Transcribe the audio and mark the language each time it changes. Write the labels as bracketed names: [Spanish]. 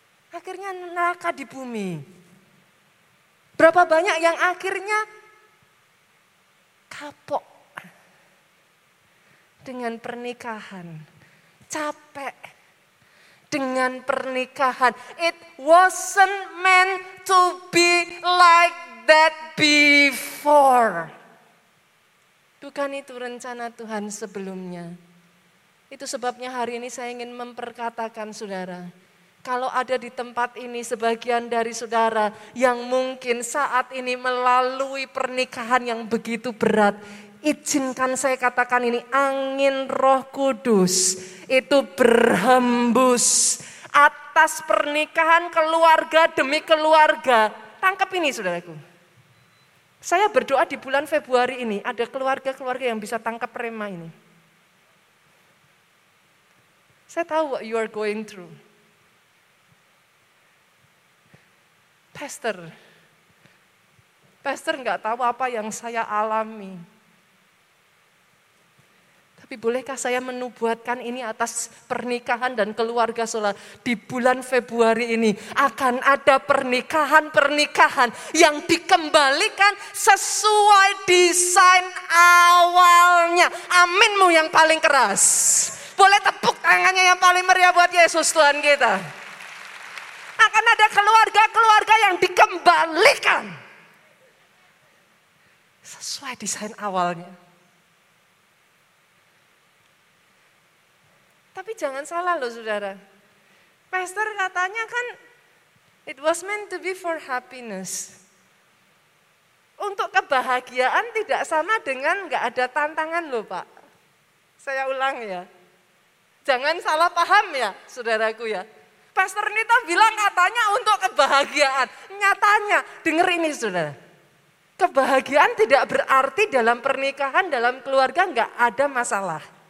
[Indonesian] Akhirnya neraka di bumi. Berapa banyak yang akhirnya kapok dengan pernikahan. Capek dengan pernikahan. [English] It wasn't meant to be like that before. [Indonesian] Bukan itu rencana Tuhan sebelumnya. Itu sebabnya hari ini saya ingin memperkatakan saudara. Kalau ada di tempat ini sebagian dari saudara yang mungkin saat ini melalui pernikahan yang begitu berat. Izinkan saya katakan ini, angin Roh Kudus itu berhembus atas pernikahan keluarga demi keluarga. Tangkap ini saudaraku. Saya berdoa di bulan Februari ini ada keluarga-keluarga yang bisa tangkap rema ini. Saya tahu [English] what you are going through. [Indonesian] Pastor gak tahu apa yang saya alami. Tapi bolehkah saya menubuatkan ini atas pernikahan dan keluarga saudara. Di bulan Februari ini akan ada pernikahan-pernikahan yang dikembalikan sesuai desain awalnya. Aminmu yang paling keras. Boleh tepuk tangannya yang paling meriah buat Yesus Tuhan kita. Akan ada keluarga-keluarga yang dikembalikan sesuai desain awalnya. Tapi jangan salah loh saudara. Pastor katanya kan [English] it was meant to be for happiness. [Indonesian] Untuk kebahagiaan tidak sama dengan enggak ada tantangan loh, Pak. Saya ulang ya. Jangan salah paham ya, saudaraku ya. Pastor Nita bilang katanya untuk kebahagiaan. Nyatanya, dengar ini saudara. Kebahagiaan tidak berarti dalam pernikahan, dalam keluarga enggak ada masalah.